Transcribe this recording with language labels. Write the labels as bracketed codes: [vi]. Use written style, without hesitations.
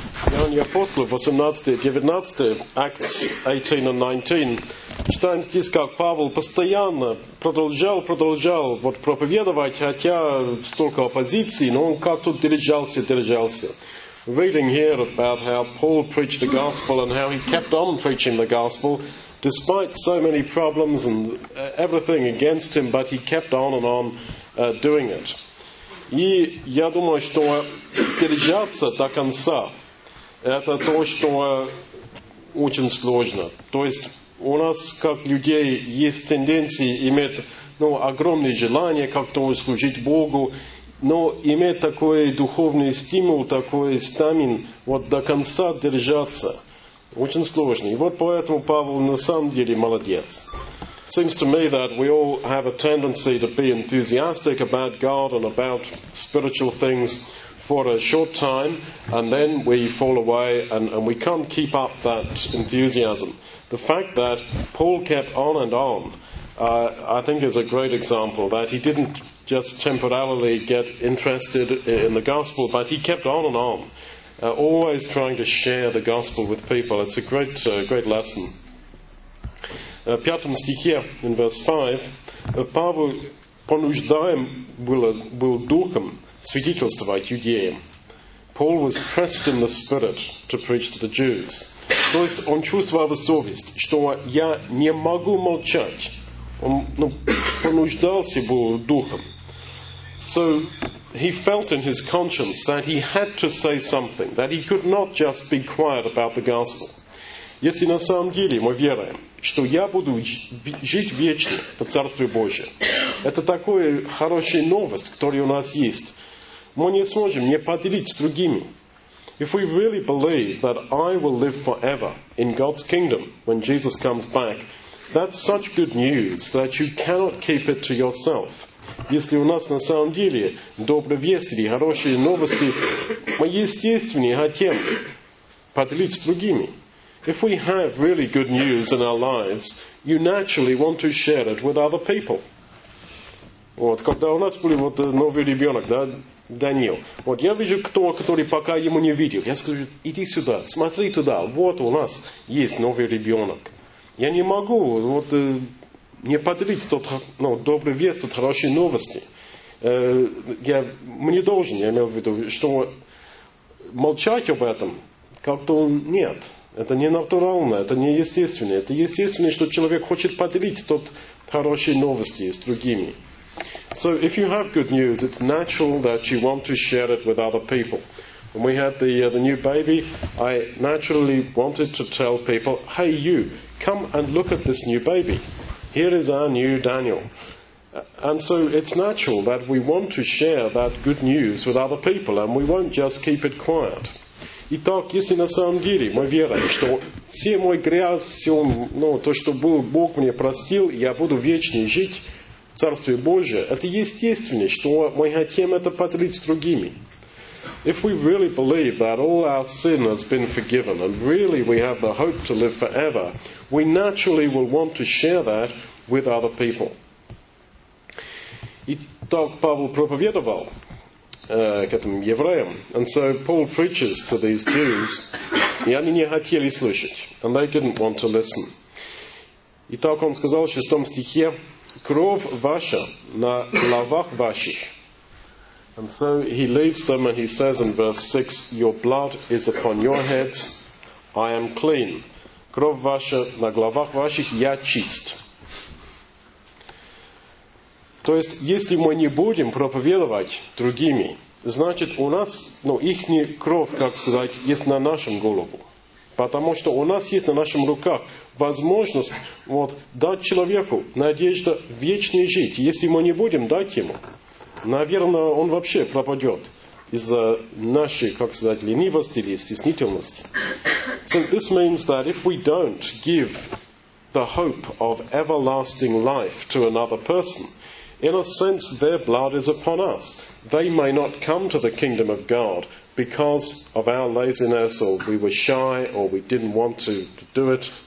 [ru] Деяния апостолов, 18 главе, 19, [en] Acts 18 and 19, [ru] читаем здесь, как Павел постоянно продолжал вот проповедовать, хотя столько оппозиции, но он как-то держался. [en] Reading here about how Paul preached the gospel and how he kept on preaching the gospel despite so many problems and everything against him, but he kept on and on doing it. [ru] И я думаю, что держаться до конца – это то, что очень сложно. То есть у нас, как людей, есть тенденция иметь огромное желание как-то служить Богу, но иметь такой духовный стимул, такой стамин, вот до конца держаться – очень сложно. И вот поэтому Павел на самом деле молодец. [en] Seems to me that we all have a tendency to be enthusiastic about God and about spiritual things for a short time, and then we fall away and we can't keep up that enthusiasm. The fact that Paul kept on and on, I think is a great example, that he didn't just temporarily get interested in the gospel, but he kept on and on, always trying to share the gospel with people. It's a great, great lesson. [ru] В пятом стихе, [en] in verse 5, [ru] Павел понуждаем был духом свидетельствовать иудеям. [en] Paul was pressed in the spirit to preach to the Jews. [ru] То есть он чувствовал совесть, что я не могу молчать. Он понуждался был духом. [en] So he felt in his conscience that he had to say something, that he could not just be quiet about the gospel. [ru] Если на самом деле мы веруем, что я буду жить вечно по Царству Божьему, это такая хорошая новость, которая у нас есть. Мы не сможем не поделиться с другими. [en] If we really believe that I will live forever in God's kingdom when Jesus comes back, that's such good news that you cannot keep it to yourself. [ru] Если у нас на самом деле добрые вести или хорошие новости, мы естественнее хотим поделиться с другими. [en] If we have really good news in our lives, you naturally want to share it with other people. [ru] Вот, когда у нас был вот новый ребенок, да, Даниил. Вот, я вижу кто, который пока ему не видел. Я скажу, иди сюда, смотри туда. Вот у нас есть новый ребенок. Я не могу вот не поделить тот добрый вест, от хорошей новости. Я имел в виду, что молчать об этом как-то нет. Это не натурально, это не естественно. Это естественно, что человек хочет поделить тот хорошие новости с другими. [en] So if you have good news, it's natural that you want to share it with other people. When we had the new baby, I naturally wanted to tell people, hey you, come and look at this new baby. Here is our new Daniel. And so it's natural that we want to share that good news with other people, and we won't just keep it quiet. [ru] Итак, если на самом деле мы верим, что все мои грязь, все то, что было, Бог мне простил, я буду вечно жить в Царстве Божьем, это естественно, что мы хотим это поделить с другими. [en] If we really believe that all our sin has been forgiven and really we have the hope to live forever, we naturally will want to share that with other people. [ru] Итак, Павел проповедовал к этим евреям. [en] And so Paul preaches to these Jews, [ru] и они не хотели слушать. [en] And they didn't want to listen. [ru] Итак, он сказал в 6 стихе, кровь ваша на лавах ваших. [en] And so he leaves them and he says in verse 6, your blood is upon your heads, I am clean. [ru] Кровь ваша на главах ваших, я чист. То есть, если мы не будем проповедовать другими, значит, у нас, их кровь, как сказать, есть на нашем голову. Потому что у нас есть на наших руках возможность дать человеку надежду вечной жить. Если мы не будем дать ему, наверное, он вообще пропадет из-за нашей, как сказать, ленивости или стеснительности. [en] So this means that if we don't give the hope of everlasting life to another person, in a sense, their blood is upon us. They may not come to the kingdom of God because of our laziness, or we were shy, or we didn't want to do it.